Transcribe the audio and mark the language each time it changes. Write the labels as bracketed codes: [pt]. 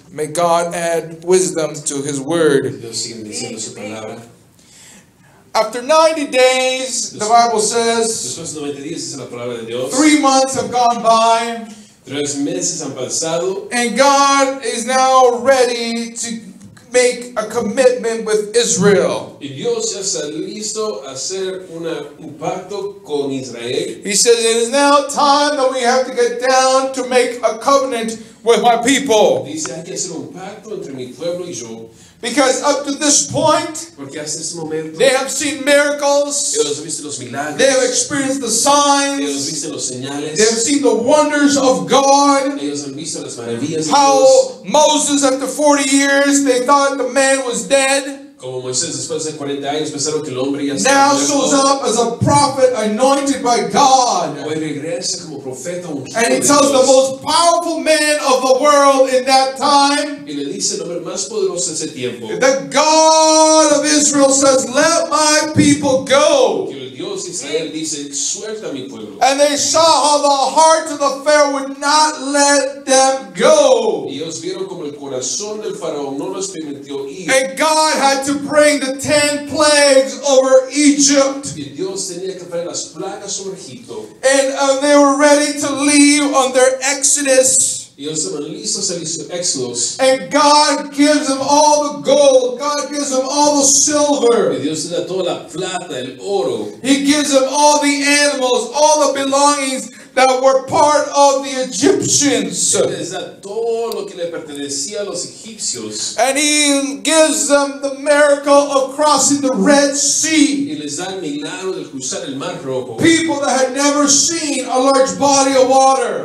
[en] May God add wisdom to His word. After 90 days, the Bible says, 3 months have gone by. [es] 3 meses han pasado, [en] and God is now ready to make a commitment with Israel. [es] Y Dios ya está listo a hacer un pacto con Israel. [en] He says, "It is now time that we have to get down to make a covenant with my people." [es] Dice, hay que hacer un pacto entre mi pueblo y yo. [en] Because up to this point, [es] porque hasta este momento, [en] they have seen miracles, [es] ellos visto los milagros, [en] they have experienced the signs, [es] ellos visto los señales, [en] they have seen the wonders of God, [es] ellos han visto las maravillas, [en] how [es] de Dios. [en] Moses, after 40 years, they thought the man was dead. [es] Como Moisés, después de 40 años, pensaron que el hombre ya estaba muerto. [en] Now shows up as a prophet anointed by God. [es] Hoy regresa como profeta ungido de [en] Dios. And he tells the most powerful man of the world in that time. [es] Y le dice el hombre más poderoso ese tiempo. [en] The God of Israel says, "Let my people go." [es] Que el Dios de Israel dice, "Suelta a mi pueblo." [en] And they saw how the heart of the Pharaoh would not let them go. [es] Y ellos vieron como el corazón del faraón no los permitió ir. [en] And God had to bring the 10 plagues over Egypt. [es] Y Dios tenía que traer las plagas sobre Egipto. [en] And they were ready to leave on their exodus. [es] Y ellos estaban listos a su éxodo. [en] And God gives them all the gold. God gives them all the silver. [es] Y Dios les da toda la plata, el oro. [en] He gives them all the animals, all the belongings that were part of the Egyptians. And He gives them the miracle of crossing the Red Sea. People that had never seen a large body of water.